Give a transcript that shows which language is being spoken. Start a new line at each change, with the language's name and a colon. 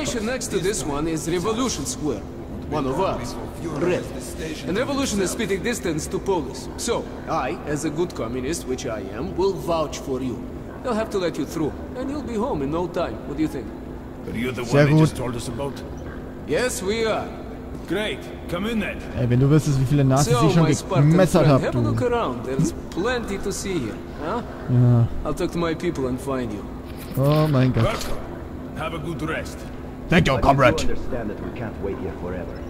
English: The station next to this one is Revolution Square. One of us. Red. And Revolution is spitting distance to Polis. So, I, as a good communist, which I am, will vouch for you. They'll have to let you through. And you'll be home in no time. What do you think? Are you the one they just told us about? Yes, we are. Great. Come in then.
German: Ey, wenn du wüsstest, wie viele Nazis ich schon gemessert hab, du.
English: Have a look around. There's plenty to see here. Yeah. I'll talk to my people and find you.
German: Oh mein Gott.
English: Welcome. Have a good rest. Thank you, comrade. You understand that we can't wait here forever.